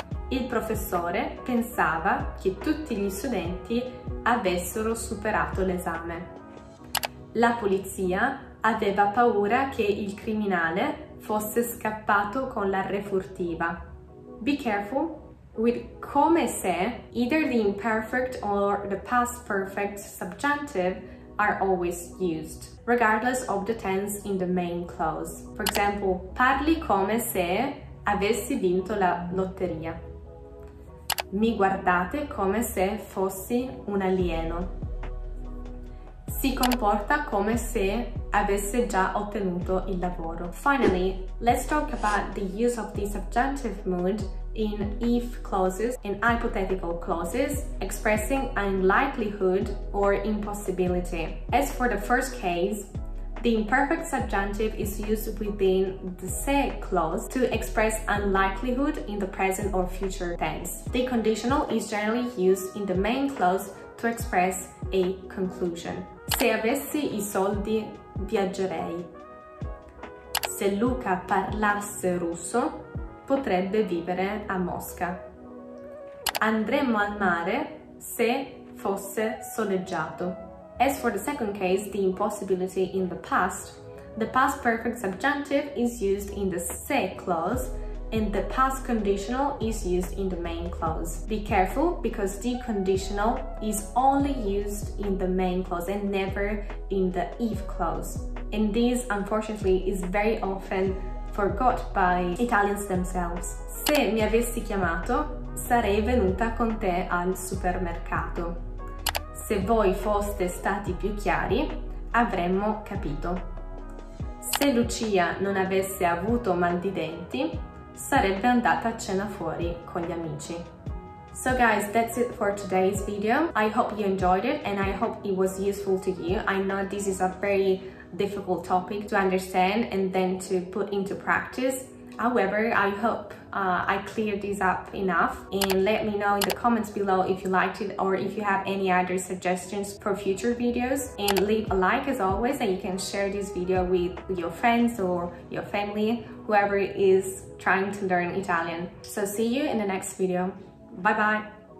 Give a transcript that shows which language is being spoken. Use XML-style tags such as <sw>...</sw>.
<it>Il professore pensava che tutti gli studenti avessero superato l'esame. La polizia aveva paura che il criminale fosse scappato con la refurtiva.</it> <en>Be careful with come se, either the imperfect or the past perfect subjunctive are always used, regardless of the tense in the main clause. For example,</en> <it>parli come se avessi vinto la lotteria. Mi guardate come se fossi un alieno. Si comporta come se avesse già ottenuto il lavoro.</it> <en>Finally, let's talk about the use of the subjunctive mood in if clauses, in hypothetical clauses, expressing unlikelihood or impossibility. As for the first case, the imperfect subjunctive is used within the se clause to express unlikelihood in the present or future tense. The conditional is generally used in the main clause to express a conclusion.</en> <it>Se avessi i soldi, viaggerei. Se Luca parlasse russo, potrebbe vivere a Mosca. Andremmo al mare se fosse soleggiato.</it> <en>As for the second case, the impossibility in the past perfect subjunctive is used in the se clause and the past conditional is used in the main clause. Be careful because the conditional is only used in the main clause and never in the if clause. And this, unfortunately, is very often forgot by Italians themselves.</en> <it>Se mi avessi chiamato, sarei venuta con te al supermercato. Se voi foste stati più chiari, avremmo capito. Se Lucia non avesse avuto mal di denti, sarebbe andata a cena fuori con gli amici.</it> <en>So guys, that's it for today's video. I hope you enjoyed it and I hope it was useful to you. I know this is a very difficult topic to understand and then to put into practice. However, I hope I cleared this up enough, and let me know in the comments below if you liked it or if you have any other suggestions for future videos, and leave a like as always, and you can share this video with your friends or your family, whoever is trying to learn Italian. So see you in the next video. Bye bye.</en>